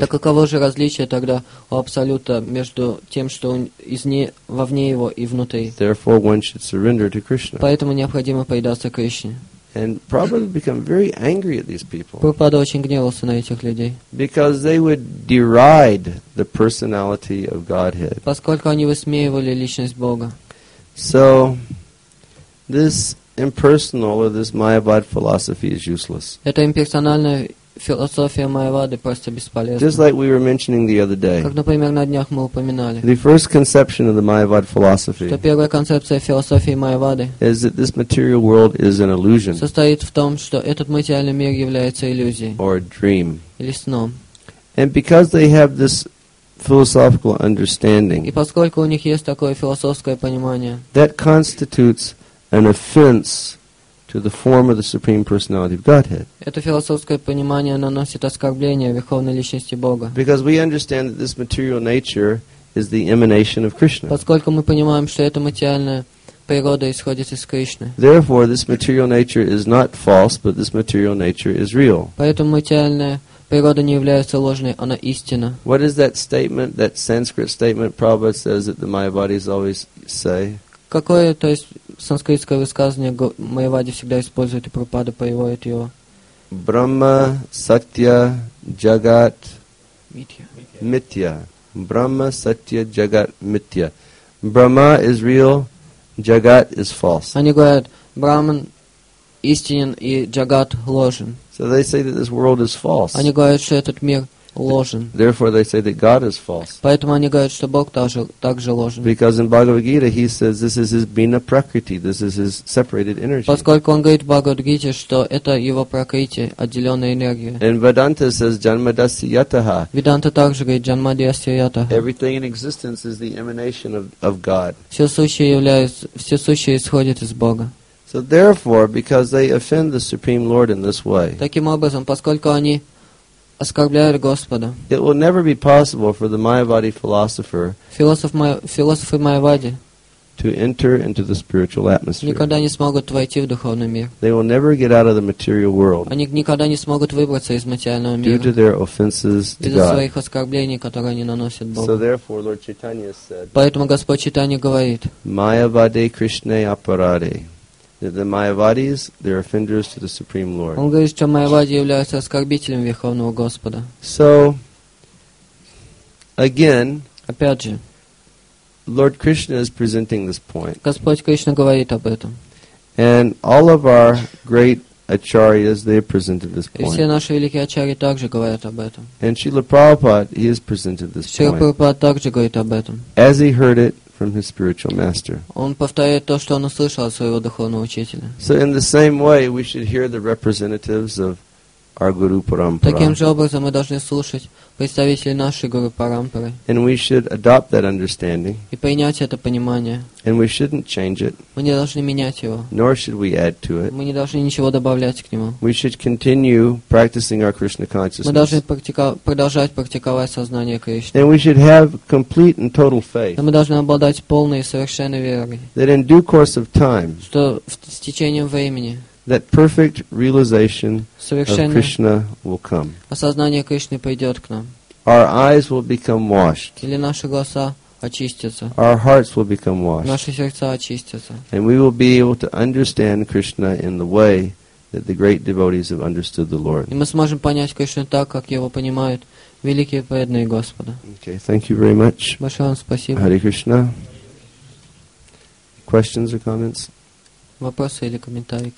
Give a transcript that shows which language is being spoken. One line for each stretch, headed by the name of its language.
Russian: Так каково же различие тогда у абсолюта между тем, что вовне его и внутри?
English: Therefore, one should surrender to Krishna.
Russian: Поэтому необходимо предаться Кришне.
English: And Prabhupada became very angry at these people.
Russian: Прабхупада очень гневался на этих людей.
English: Because they would deride the personality of Godhead.
Russian: Поскольку они высмеивали личность Бога.
English: So, this impersonal or this Mayavad philosophy is useless.
Russian: Эта имперсональная философия Майявады просто бесполезна.
English: Just like we were mentioning the other day.
Russian: Как, например, на днях мы упоминали.
English: The first conception of the Mayavad philosophy.
Russian: Что первая концепция философии Майявады.
English: Is that this material world is an illusion.
Russian: Состоит в том, что этот материальный мир является иллюзией.
English: Or a dream.
Russian: Или сном.
English: And because they have this philosophical understanding.
Russian: И поскольку у них есть такое философское понимание.
English: That constitutes an offense to the form of the Supreme Personality of Godhead.
Russian: Это философское понимание наносит оскорбление Верховной Личности Бога.
English: Because we understand that this material nature is the emanation of Krishna.
Russian: Поскольку мы понимаем, что эта материальная природа исходит из Кришны.
English: Therefore, this material nature is not false, but this material nature is real.
Russian: Поэтому материальная природа не является ложной, она истина.
English: What is that statement, that Sanskrit statement Prabhupada says that the Mayavadis always say?
Russian: Какое, то есть, санскритское высказывание Майявади всегда использует, и Прабхупада приводит его?
Sanskrit: Брахма, Сатья, Джагат, Митья. Брахма, Сатья, Джагат, Митья.
English: Брахма is real, Джагат is false.
Russian: Они говорят, Брахман истинен и Джагат ложен.
English: So they say that this world is false.
Russian: Они говорят, что этот мир ложен.
English: Therefore, they say that God is false.
Russian: Поэтому они говорят, что Бог также ложен.
English: Because in Bhagavad Gita, he says this is his bina prakriti, this is his separated energy.
Russian: Поскольку он говорит в Бхагавад Гите, что это его пракрити, отделенная энергия.
English: And Vedanta says janmadasyataha.
Russian: Веданта также говорит janmadasyataha.
English: Everything in existence is the emanation of God.
Russian: Все сущее исходит из Бога.
English: So therefore, because they offend the Supreme Lord in this way,
Russian: таким образом, поскольку они оскорбляют Господа,
English: it will never be possible for the Mayavadi philosopher
Russian: философы Майявади
English: to enter into the spiritual atmosphere.
Russian: Никогда не смогут войти в духовный мир.
English: They will never get out of the material world.
Russian: Они никогда не смогут выбраться из материального мира.
English: Due to their offenses to God.
Russian: Из-за своих оскорблений, которые они наносят Богу.
English: So therefore, Lord Chaitanya said.
Russian: Поэтому Господь Чайтанья говорит.
Sanskrit: Mayavade Krishne aparade.
English: That the Mayavadis, they're offenders to the Supreme Lord.
Russian: Он говорит, что Майявади являются оскорбителем Верховного Господа.
English: So, again,
Russian: опять же,
English: Lord Krishna is presenting this point.
Russian: Господь Кришна говорит об этом.
English: And all of our great acharyas, they presented this point.
Russian: И все наши великие ачарьи также говорят об этом.
English: And Srila Prabhupada, he has presented this point.
Russian: Srila Prabhupada также говорит об этом.
English: As he heard it from his spiritual master.
Russian: Он повторяет то, что он услышал от своего духовного учителя.
English: So in the same way, we should hear the representatives of our Guru Parampara.
Russian: Таким же образом мы должны слушать представителей нашей Гуру Парампары.
English: And we should adopt that understanding.
Russian: И принять это понимание.
English: And we shouldn't change it.
Russian: Мы не должны менять его.
English: Nor should we add to it.
Russian: Мы не должны ничего добавлять к нему.
English: We should continue practicing our Krishna consciousness.
Russian: Мы должны продолжать практиковать сознание Кришны.
English: And we should have complete and total faith.
Russian: Мы должны обладать полной и совершенной верой.
English: That in due course of time.
Russian: Что с течением времени.
English: That perfect realization of Krishna will come.
Russian: Осознание Кришны придет к нам.
English: Our eyes will become washed.
Russian: Или наши глаза очистится.
English: Our hearts will become washed.
Russian: Наши сердца очистятся.
English: And we will be able to understand Krishna in the way that the great devotees have understood the Lord.
Russian: И мы сможем понять Кришну так, как его понимают великие преданные Господа.
English: Okay, thank you very much.
Russian: Большое вам спасибо.
English: Hare Krishna. Questions or comments?
Russian: Вопросы или комментарии?